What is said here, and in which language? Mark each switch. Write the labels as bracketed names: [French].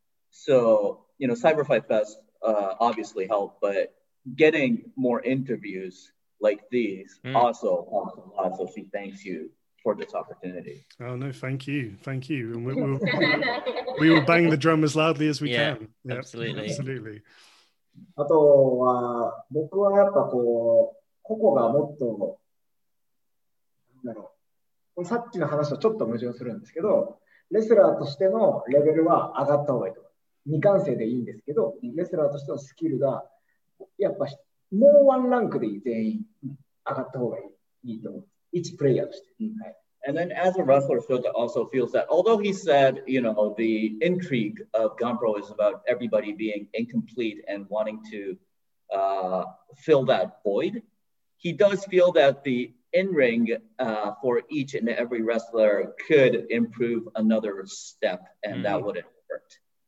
[English] So, you know, Cyber Fight Fest obviously helped, but getting more interviews like these also helps a lot. So she thanks you for this opportunity. Oh, no, thank you. Thank you. And we will bang the drum as loudly as we can. Yeah, absolutely. Absolutely. [Japanese] あとは僕はやっぱこう個々がもっとなんだろうさっきの話とちょっと矛盾するんですけどレスラーとしてのレベルは上がった方がいいと未完成でいいんですけどレスラーとしてのスキルがやっぱもうワンランクでいい全員上がった方がいいと思う1プレイヤーとして、 [English] And then as a wrestler, Shota also feels that although he said, you know, the intrigue of Ganpro is about everybody being incomplete and wanting to fill that void, he does feel that the in-ring for each and every wrestler could improve another step and that would have worked.